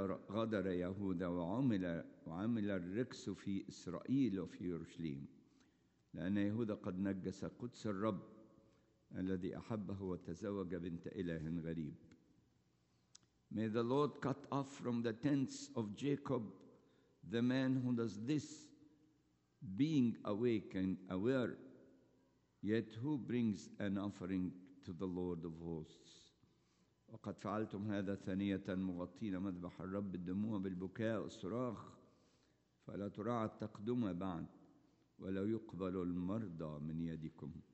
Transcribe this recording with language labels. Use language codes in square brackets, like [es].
[ar] غدر يهودا وعمل الركس في إسرائيل وفي أورشليم لأن يهودا قد نجس قدس الرب الذي أحبه وتزوج بنت إله غريب. [en] May the Lord cut off from the tents of Jacob the man who does this, being awake and aware, yet who brings an offering to the Lord of hosts. [ar] وقد فعلتم هذا ثانية مغطين مذبح الرب بالدموع بالبكاء والصراخ فلا تراعى التقدم بعد ولا يقبل المرضى من يدكم.